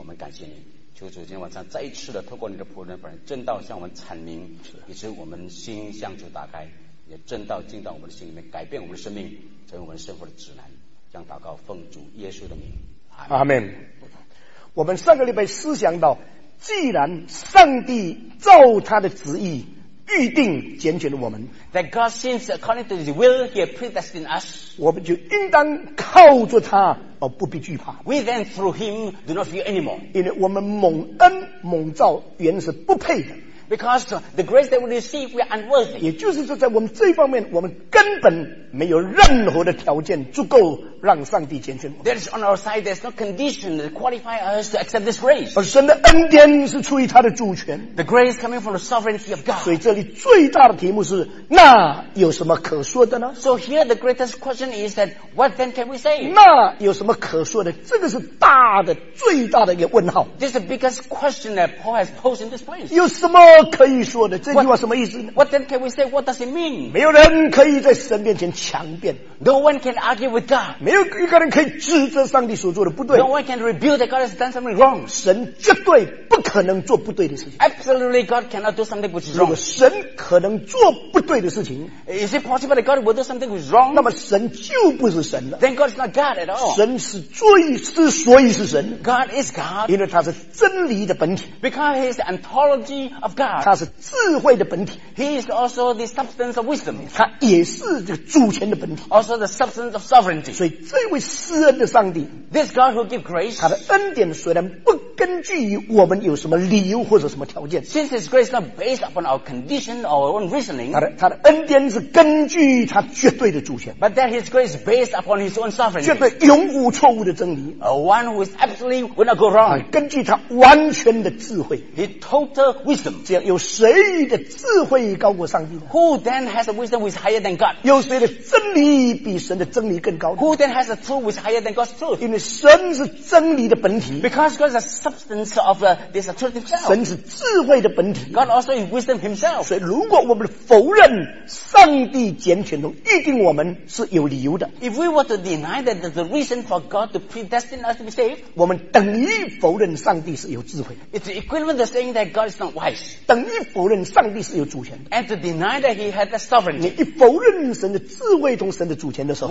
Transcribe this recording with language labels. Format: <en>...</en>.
<zh>我们感谢你，求主今天晚上再一次的透过你的仆人本人正道向我们阐明，以致我们心向主打开，也正道进到我们的心里面，改变我们的生命，成为我们生活的指南。将祷告奉主耶稣的名，阿门。我们上个礼拜思想到，既然上帝照他的旨意预定拣选了我们，</zh> <en>that God since according to his will he predestined us,</en> <zh>我们就应当靠着他而不必惧怕。</zh> <en>We then through him do not fear anymore,</en> <zh>因为我们蒙恩蒙召原是不配的。</zh> <en>Because the grace that we receive we are unworthy,</en> <zh>也就是说在我们这方面我们根本没有任何的条件足够让上帝拣选我们。</zh> <en>There is on our side there is no condition that qualify us to accept this grace.</en> <zh>而神的恩典是出于他的主权。</zh> <en>The grace coming from the sovereignty of God.</en> <zh>所以这里最大的题目是，那有什么可说的呢？</zh> <en>So here the greatest question is that what then can we say?</en> <zh>那有什么可说的？这个是大的最大的一个问号。</zh> <en>This is the biggest question that Paul has posed in this place.</en> <zh>有什么可以说的？这句话什么意思呢？</zh> <en>What then can we say? What does it mean?</en> <zh>没有人可以在神面前强辩。</zh> <en>No one can argue with God.</en> <zh>没有一个人可以指责上帝所做的不对。</zh> <en>No one can rebuild that God has done something wrong.</en> <zh>神绝对不可能做不对的事情。</zh> <en>Absolutely God cannot do something which is wrong.</en> <zh>如果神可能做不对的事情，</zh> <en>Is it possible that God will do something which is wrong?</en> <zh>那么神就不是神了。</zh> <en>Then God is not God at all.</en> <zh>神是最之所以是神。</zh> <en>God is God.</en> <zh>因为他是真理的本体。</zh> <en>Because he is the ontology of God.</en> <zh>他是智慧的本体。</zh> <en>He is also the substance of wisdom.</en> <zh>他也是这个主权的本体。</zh> <en>Also the substance of sovereignty.</en> <zh>所以这位施恩的上帝，</zh> <en>This God who give grace,</en> <zh>他的恩典虽然不根据于我们有什么理由或者什么条件，</zh> <en>Since his grace is not based upon our condition or our own reasoning,</en> <zh>他的恩典是根据他绝对的主权，</zh> <en>But that his grace is based upon his own sovereignty,</en> <zh>绝对永无错误的真理，</zh> <en>A one who is absolutely will not go wrong,</en> <zh>根据他完全的智慧，</zh> <en>His total wisdom,</en> <zh>这样有谁的智慧高过上帝呢？</zh> <en>Who then has a wisdom who is higher than God?</en> <zh>有谁的真理比神的真理更高？</zh> <en>Who then has a truth which is higher than God's truth?</en> <zh>因为神是真理的本体。</zh> <en>Because God is the substance of this truth itself.</en> <zh>神是智慧的本体。</zh> <en>God also is wisdom himself.</en> <zh>所以如果我们否认上帝拣选和预定我们是有理由的，</zh> <en>If we were to deny that the reason for God to predestine us to be saved,</en> <zh>我们等于否认上帝是有智慧。</zh> <en>It's equivalent to saying that God is not wise.</en> <zh>等于否认上帝是有主权。</zh> <en>And to deny that he had the sovereignty.</en> <zh>你一否认神的智慧同神的主权的时候，</zh>